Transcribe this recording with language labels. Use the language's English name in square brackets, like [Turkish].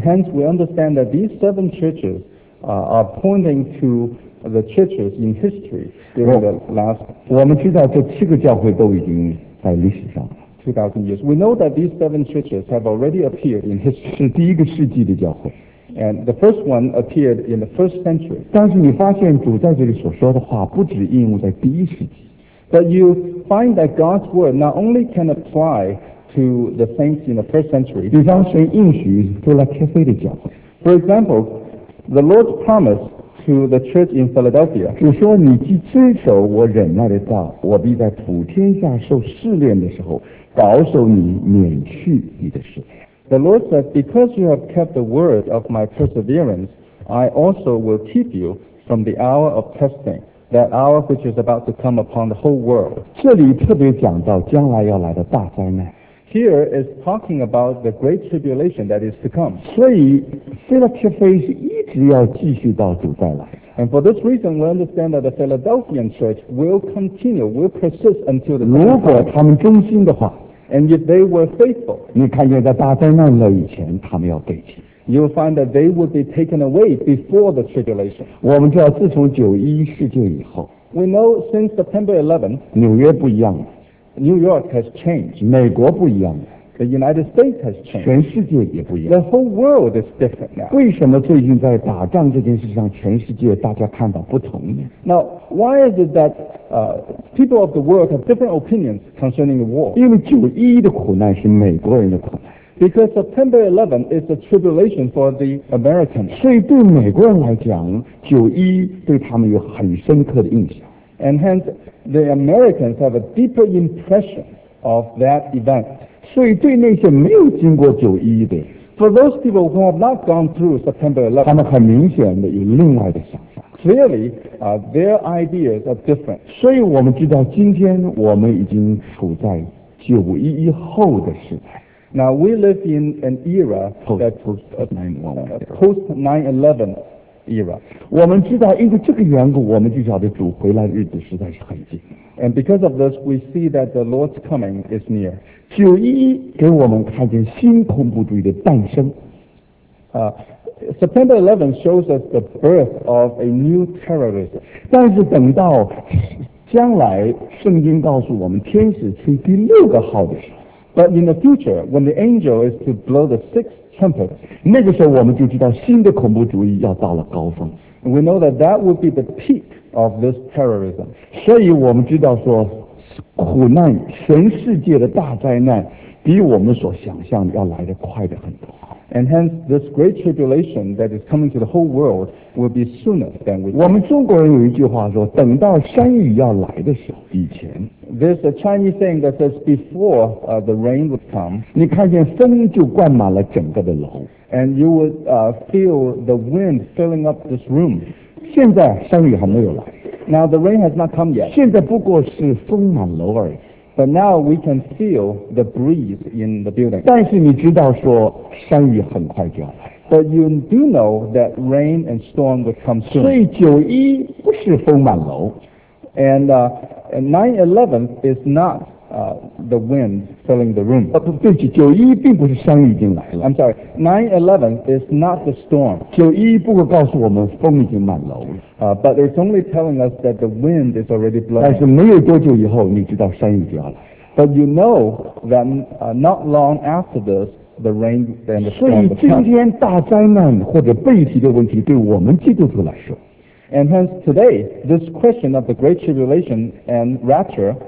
[English] hence we understand that these 7 churches are pointing to the churches in history during the last. [Chinese] 我们知道这七个教会都已经在历史上。 [English] 2,000 years. We know that these 7 churches have already appeared in history. [Chinese] 是第一个世纪的教会。 [English] And the first one appeared in the first century. [Chinese] 但是你发现主在这里所说的话不只应用在第一世纪。 [English] But you find that God's word not only can apply to the saints in the first century. [Chinese] 比方说应许多拉切菲的教会。 [English] For example, the Lord's promise to the church in Philadelphia. [Chinese] 主说你既遵守我忍耐的道，我必在普天下受试炼的时候。保守你免去你的试炼。 [English] The Lord said, Because you have kept the word of my perseverance, I also will keep you from the hour of testing. that hour which is about to come upon the whole world. [Chinese] 这里特别讲到将来要来的大灾难。 [English] Here is talking about the great tribulation that is to come. [Chinese] 所以腓立比教会一直要继续到主再来。 [English] And for this reason, we understand that the Philadelphian church will continue, will persist until the time. [Chinese] 如果他们忠心的话。 [English] And if they were faithful. [Chinese] 你看见在大灾难了以前他们要背弃。 [English] You'll find that they would be taken away before the tribulation. [Chinese] 我们知道自从911事件以后。 [English] We know since September 11. [Chinese] 纽约不一样了。 [English] New York has changed. [Chinese] 美国不一样了。 [English] The United States has changed. [Chinese] 全世界也不一样。 [English] The whole world is different now. [Chinese] 为什么最近在打仗这件事上全世界大家看法不同呢？ [English] Now, why is it that, people of the world have different opinions concerning the war? [Chinese] 因为911的苦难是美国人的苦难。 [English] Because September 11 is a tribulation for the Americans. [Chinese] 所以对美国人来讲，911对他们有很深刻的印象。 [English] And hence, the Americans have a deeper impression of that event. [Chinese] 所以对那些没有经过911的 [English] For those people who have not gone through September 11, [Chinese] 他们很明显的有另外的想法。 [English] Clearly, their ideas are different. [Chinese] 所以我们知道今天我们已经处在911后的时代。 [English] Now we live in an era post 9/11 era. [Chinese] 我们知道，因为这个缘故，我们就晓得主回来的日子实在是很近。 [English] And because of this, we see that the Lord's coming is near. [Chinese] 911给我们看见新恐怖主义的诞生。 [English] September 11 shows us the birth of a new terrorism. [Chinese] 但是等到将来，圣经告诉我们，天使吹第六个号的时候。 [English] But in the future, when the angel is to blow the sixth trumpet, [Chinese] 那个时候我们就知道新的恐怖主义要到了高峰。 [English] We know that that would be the peak of this terrorism. [Chinese] 所以我们知道说，苦难，全世界的大灾难，比我们所想象的要来得快得很多。 [English] And hence, this great tribulation that is coming to the whole world will be sooner than we. [Chinese] 我们中国人有一句话说，等到山雨要来的时候，以前。 [English] There's a Chinese saying that says before the rain would come. [Chinese] 你看见风就灌满了整个的楼。 [English] And you would feel the wind filling up this room. [Chinese] 现在山雨还没有来。 [English] Now the rain has not come yet. [Chinese] 现在不过是风满楼而已。 [English] But now we can feel the breeze in the building. [Chinese] 但是你知道说山雨很快就要来。 [English] But you do know that rain and storm would come soon. [Chinese] 所以911不是风满楼。 [English] And 9/11 is not the wind filling the room. [Chinese] 对不起，911并不是山雨已经来了。 [English] I'm sorry, 9/11 is not the storm. [Chinese] 911不过告诉我们风已经满楼了。 [English] But it's only telling us that the wind is already blowing. [Chinese] 但是没有多久以后，你知道山雨就要来。 [English] But you know that not long after this, the rain and the storm. [Chinese] 所以今天大灾难或者背离的问题，对我们基督徒来说。 [English] And hence today, this question of the Great Tribulation and Rapture